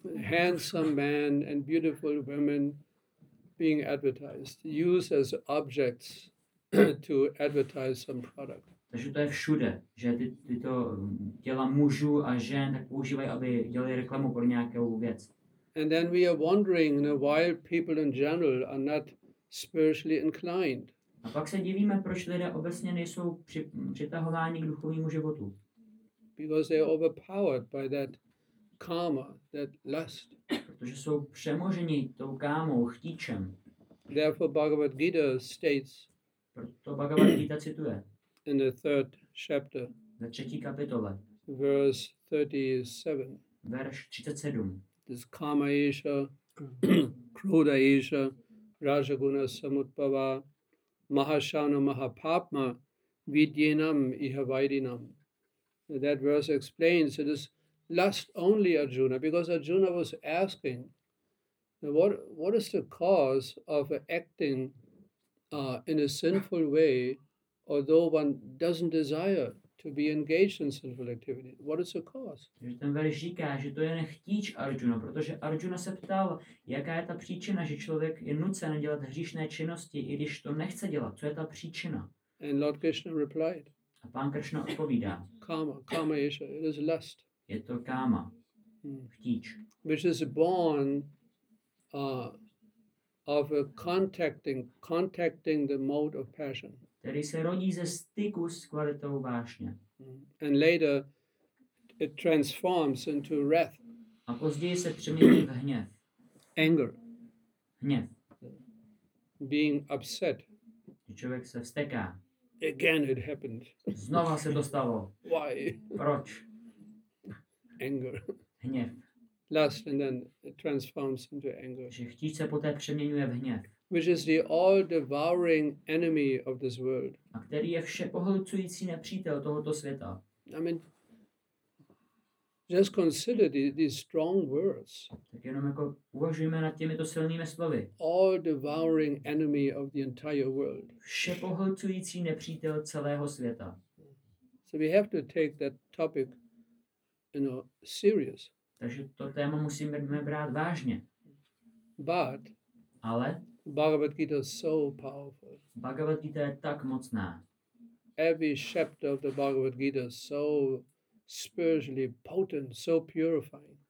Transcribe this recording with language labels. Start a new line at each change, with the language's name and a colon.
English: Handsome man and beautiful women being advertised, used as objects to advertise some product.
Czech: Takže to je všude, že tyto těla mužů a žen tak používají, aby dělali reklamu pro nějakou věc.
English: And then we are wondering, you know, why people in general are not spiritually inclined.
Czech: A pak se divíme, proč lidé obecně nejsou přitahováni k duchovnímu životu.
English: Because they are overpowered by that karma, that lust.
Czech: Protože jsou přemoženi tou kámou, chtíčem.
English: Therefore Bhagavad Gita states,
Czech: proto Bhagavad Gita cituje,
English: in the third chapter,
Czech: ve třetí kapitole,
English: verse 37,
Czech: verš 37,
Sanskrit: this kama isha, krodha isha, rajaguna samutpava, mahashana mahapapma, vidyenam iha vairinam.
English: That verse explains it is lust only, Arjuna, because Arjuna was asking, what is the cause of acting in a sinful way, although one doesn't desire to be engaged in sinful activity? What is the cause?
Czech: Ten verš říká, že to je nechtíč Arjuna, protože Arjuna se ptal, jaká je ta příčina, že člověk je nucen dělat hříšné činnosti, i když to nechce dělat. Co je ta příčina?
English: And Lord Krishna replied.
Czech: A pán Krishna odpovídá.
Sanskrit: Kama isha,
English: it is lust.
Czech: Je to káma, chtíč.
English: Which is born of a contacting the mode of passion.
Czech: Který se rodí ze styku s kvalitou vášně.
English: And later it transforms into wrath.
Czech: A později se přemění v hněv.
English: Anger.
Czech: Hněv.
English: Being upset.
Czech: Člověk se vzteká.
English: Again it happened.
Czech: Znova se to stalo.
English: Why?
Czech: Proč?
English: Anger.
Czech: Hněv.
English: Lust, and then it transforms into anger.
Czech: Že chtíč se poté přeměňuje v hněv.
English: Which is the all-devouring enemy of this world.
Czech: A který je všepohlcující nepřítel tohoto světa.
English: I mean, just consider these strong words.
Czech: Tak jenom jako uvažujeme nad těmito silnými slovy.
English: All-devouring enemy of the entire world.
Czech: Všepohlcující nepřítel celého světa.
English: So we have to take that topic, you know, serious.
Czech: Takže to téma musíme brát vážně.
English: But,
Czech: ale
English: Bhagavad Gita is so powerful.
Czech: Bhagavad Gita je tak mocná.
English: Every chapter of the Bhagavad Gita is so spiritually potent, so purifying.